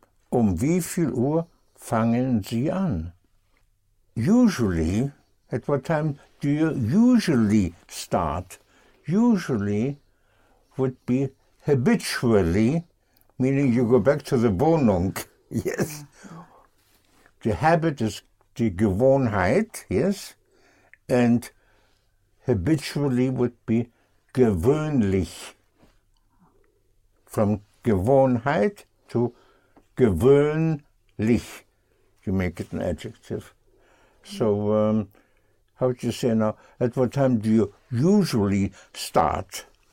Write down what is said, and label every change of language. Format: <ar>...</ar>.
<de>Wie viel Uhr fangen Sie an?</de> <en>Usually, at what time do you usually start? Usually would be habitually, meaning you go back to the Wohnung. Yes. The habit is die Gewohnheit, yes. And habitually would be gewöhnlich. From Gewohnheit to gewöhnlich. You make it an adjective. So, how would you say now? At what time do you usually start?</en>